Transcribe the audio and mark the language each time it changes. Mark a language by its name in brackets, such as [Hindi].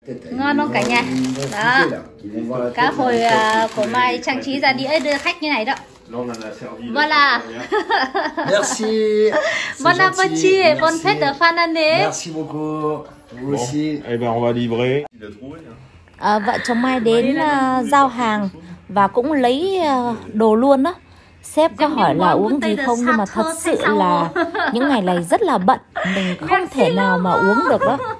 [Vietnamese] Ngon không cả nhà? Đó. Cá hồi của Mai trang trí ra đĩa đưa khách như này đó. [French] Voilà. Merci. Bon appétit et bonne fête de fin d'année. Merci beaucoup. Vous aussi. Bon. Eh ben on va livrer. [Vietnamese] À, vợ chồng Mai đến giao hàng và cũng lấy đồ luôn đó. Sếp có hỏi là uống gì không, nhưng mà thật sự là những ngày này rất là bận, mình không thể nào mà uống được đó.